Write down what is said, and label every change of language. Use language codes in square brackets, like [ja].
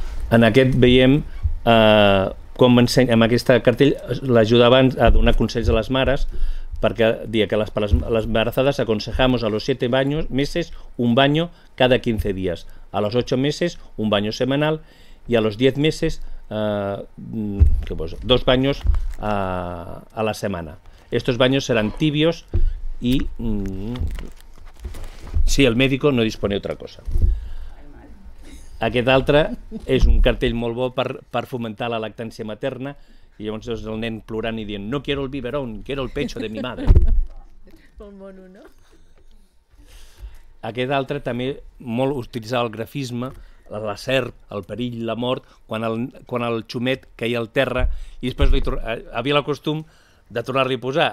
[ca] En aquest veiem com ensenya, amb aquesta cartell l'ajudaven a donar consells a les mares, perquè dia que [es] les embarazadas aconsejamos a los 7 meses un baño cada 15 días, a los 8 meses un baño semanal y a los 10 meses dos baños a la semana. Estos baños serán tibios y si el médico no dispone otra cosa. [ca] Aquest altre és un cartell molt bo per fomentar la lactància materna, i llavors és el nen plorant i dient: [es] "No quiero el biberón, quiero el pecho de mi madre." [ca] Molt mono, no? Aquest altre també molt utilitzava el grafisme, la serp, el perill, la mort, quan el xumet caia al terra i després havia el costum de tornar-li a posar.